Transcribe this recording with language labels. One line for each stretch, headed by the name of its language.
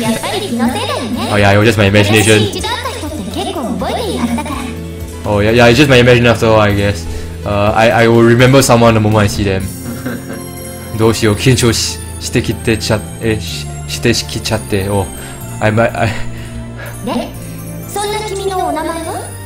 Japanese: やっぱり気のせいだよね?
English: Oh, yeah, it was just my imagination.
Japanese: 私一度会った人って結構覚えてるはずだから。
English: Oh, yeah, it's just my imagination after all, I guess. I will remember someone the moment I see them.
Japanese: どうしよう、緊張してきてちゃって、してきちゃって。
English: Oh,
Japanese: で、そんな君のお名前は?